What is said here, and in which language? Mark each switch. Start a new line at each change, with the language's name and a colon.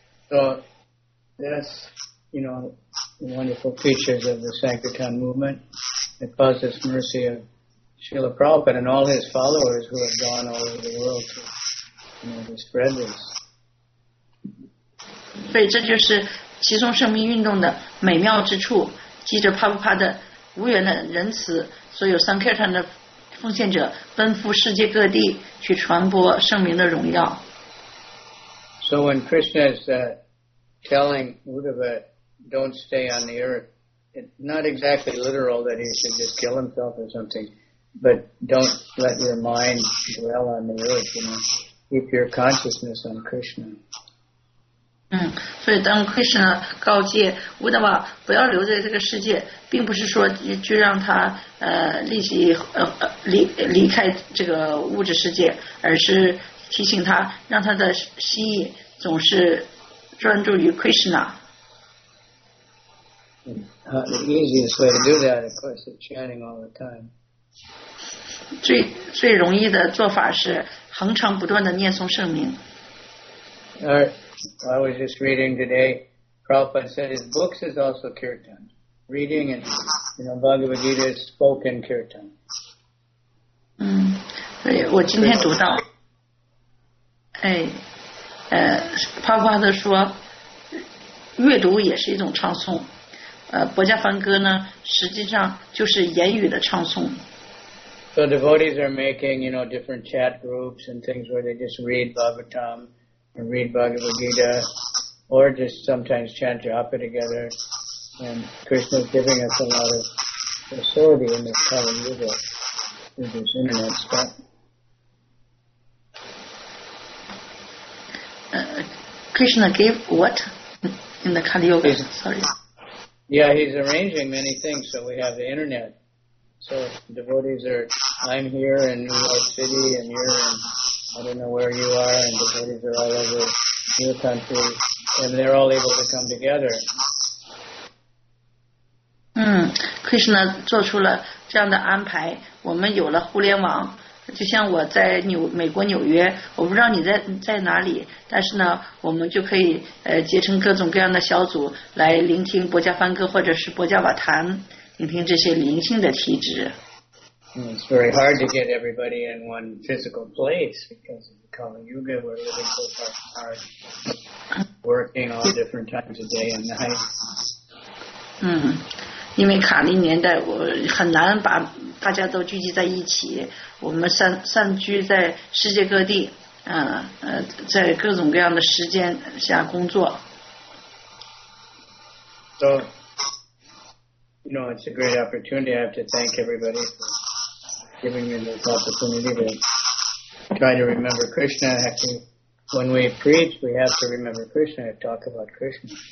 English: So that's, you know, the wonderful features of the Sankirtan movement. It causes mercy of Srila Prabhupada and all his followers who have gone all over the world to, you know, to spread this.
Chinese: 所以这就是其中生命运动的美妙之处，记着帕布帕的无缘的仁慈，所有三 K 上的奉献者奔赴世界各地去传播圣名的荣耀。
English: So when Krishna is telling Uddhava, "Don't stay on the earth," it's not exactly literal that he should just kill himself or something, but don't let your mind dwell on the earth. You know, keep your consciousness on Krishna.
Chinese: 嗯，所以当 Krishna 告诫 Uddhava 不要留在这个世界，并不是说就让他立即离开这个物质世界，而是提醒他让他的心意总是专注于 Krishna。
English: The easiest way to do that, of course, is chanting all the time.
Chinese: 最容易的做法是恒常不断的念诵圣名。
English: I was just reading today, Prabhupada said his books is also kirtan. Reading and, you know, Bhagavad Gita is spoken kirtan.
Chinese: 嗯，对，我今天读到，哎，Prabhupada 说，阅读也是一种唱诵。薄伽梵歌呢，实际上就是言语的唱诵。
English: So devotees are making, you know, different chat groups and things where they just read Bhagavatam. And read Bhagavad Gita, or just sometimes chant japa together. And Krishna is giving us a lot of facility in this Kali Yuga with this internet stuff. Krishna gave what in the Kali Yuga? Sorry. Yeah, he's arranging many things, so we have the internet. So devotees are, I'm here in New York City, and you're in. I don't know where you are, and the devotees are all over your country, and they're all able to come together.
Chinese: 嗯 ，Krishna 做出了这样的安排，我们有了互联网。就像我在美国纽约，我不知道你在哪里，但是呢，我们就可以结成各种各样的小组来聆听薄伽梵歌或者是薄伽瓦坛，聆听这些灵性的体质。
English: It's very hard to get everybody in one physical place because of the Kali Yuga. We're living so far apart, working all different times of day and night.
Chinese: 嗯，因为卡利年代，我很难把大家都聚集在一起。我们散居在世界各地，在各种各样的时间下工作。
English: So, you know, it's a great opportunity. I have to thank everybody for. Giving me this opportunity to try to remember Krishna. Actually, when we preach, we have to remember Krishna and talk about Krishna.